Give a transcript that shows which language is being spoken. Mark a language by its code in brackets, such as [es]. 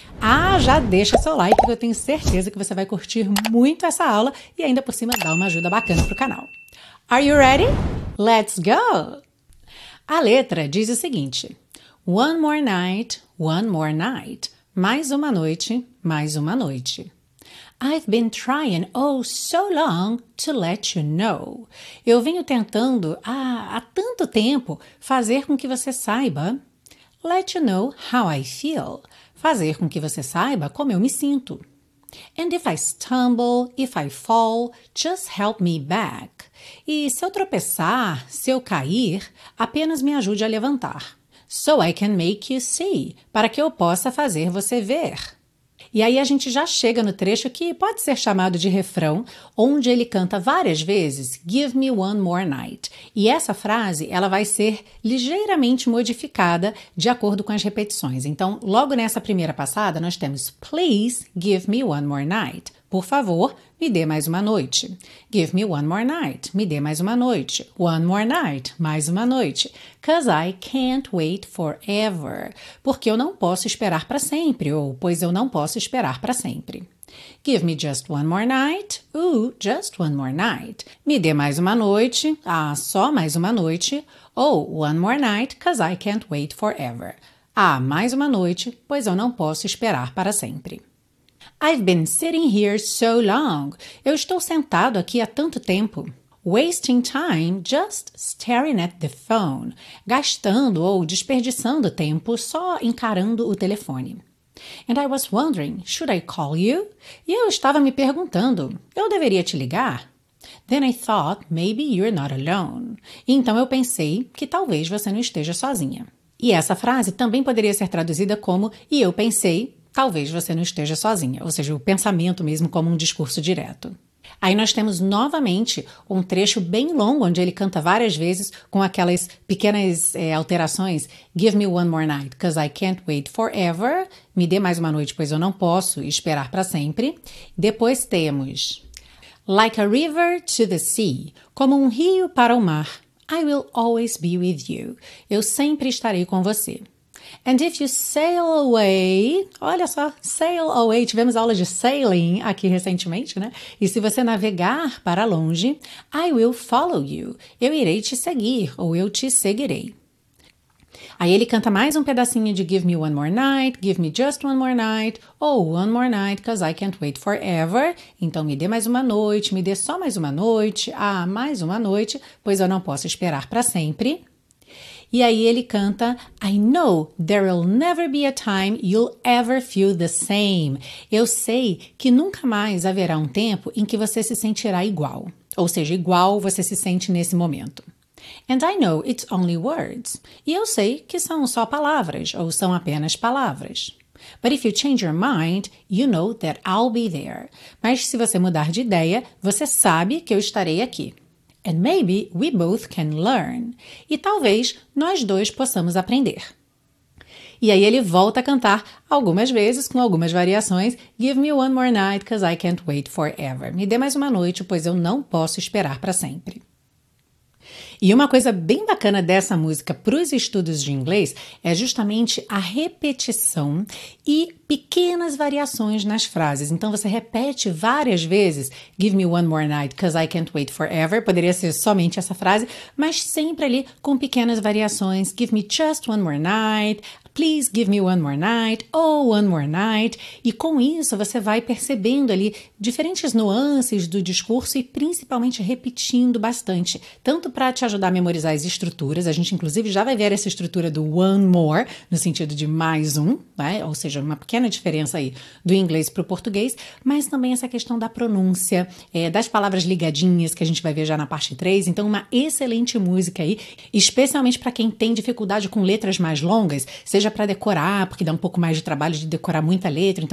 [pt] Ah, já deixa seu like, porque eu tenho certeza que você vai curtir muito essa aula e ainda por cima dar uma ajuda bacana para o canal. [en] Are you ready? Let's go! [pt] A letra diz o seguinte: [en] One more night, one more night. [pt] Mais uma noite, mais uma noite. [en] I've been trying oh so long to let you know. [pt] Eu venho tentando há tanto tempo fazer com que você saiba. [en] Let you know how I feel. [pt] Fazer com que você saiba como eu me sinto. [en] And if I stumble, if I fall, just help me back. [pt] E se eu tropeçar, se eu cair, apenas me ajude a levantar. [en] So I can make you see, [pt] para que eu possa fazer você ver. E aí a gente já chega no trecho que pode ser chamado de refrão, onde ele canta várias vezes, [en] give me one more night. [pt] E essa frase, ela vai ser ligeiramente modificada de acordo com as repetições. Então, logo nessa primeira passada, nós temos, [en] please give me one more night. [pt] Por favor, me dê mais uma noite. [en] Give me one more night. [pt] Me dê mais uma noite. [en] One more night. [pt] Mais uma noite. [en] 'Cause I can't wait forever. [pt] Porque eu não posso esperar para sempre. Ou, pois eu não posso esperar para sempre. [en] Give me just one more night. Ooh, just one more night. [pt] Me dê mais uma noite. Ah, só mais uma noite. Ou, [en] one more night, 'cause I can't wait forever. [pt] Ah, mais uma noite, pois eu não posso esperar para sempre. [en] I've been sitting here so long. [pt] Eu estou sentado aqui há tanto tempo. [en] Wasting time just staring at the phone. [pt] Gastando ou desperdiçando tempo só encarando o telefone. [en] And I was wondering, should I call you? [pt] E eu estava me perguntando, eu deveria te ligar? [en] Then I thought, maybe you're not alone. [pt] Então eu pensei que talvez você não esteja sozinha. E essa frase também poderia ser traduzida como, e eu pensei, talvez você não esteja sozinha, ou seja, o pensamento mesmo como um discurso direto. Aí nós temos novamente um trecho bem longo, onde ele canta várias vezes com aquelas pequenas alterações. [en] Give me one more night, 'cause I can't wait forever. [pt] Me dê mais uma noite, pois eu não posso esperar para sempre. Depois temos, [en] like a river to the sea, [pt] como um rio para o mar, [en] I will always be with you. [pt] Eu sempre estarei com você. [en] And if you sail away, [pt] olha só, [en] sail away, [pt] tivemos aula de sailing aqui recentemente, né? E se você navegar para longe, [en] I will follow you, [pt] eu irei te seguir, ou eu te seguirei. Aí ele canta mais um pedacinho de [en] give me one more night, give me just one more night, ou one more night, 'cause I can't wait forever. [pt] Então me dê mais uma noite, me dê só mais uma noite, ah, mais uma noite, pois eu não posso esperar para sempre. E aí ele canta, [en] I know there will never be a time you'll ever feel the same. [pt] Eu sei que nunca mais haverá um tempo em que você se sentirá igual. Ou seja, igual você se sente nesse momento. [en] And I know it's only words. [pt] E eu sei que são só palavras, ou são apenas palavras. [en] But if you change your mind, you know that I'll be there. [pt] Mas se você mudar de ideia, você sabe que eu estarei aqui. [en] And maybe we both can learn. [pt] E talvez nós dois possamos aprender. E aí ele volta a cantar, algumas vezes, com algumas variações, [en] Give me one more night, cause I can't wait forever. [pt] Me dê mais uma noite, pois eu não posso esperar para sempre. E uma coisa bem bacana dessa música para os estudos de inglês é justamente a repetição e pequenas variações nas frases. Então você repete várias vezes, [en] Give me one more night, cause I can't wait forever. [pt] Poderia ser somente essa frase, mas sempre ali com pequenas variações. [en] Give me just one more night. Please give me one more night, oh, one more night. [pt] E com isso você vai percebendo ali diferentes nuances do discurso e principalmente repetindo bastante, tanto para te ajudar a memorizar as estruturas, a gente inclusive já vai ver essa estrutura do one more, no sentido de mais um, né? Ou seja, uma pequena diferença aí do inglês para o português, mas também essa questão da pronúncia, das palavras ligadinhas que a gente vai ver já na parte 3, então uma excelente música aí, especialmente para quem tem dificuldade com letras mais longas, seja para decorar, porque dá um pouco mais de trabalho de decorar muita letra.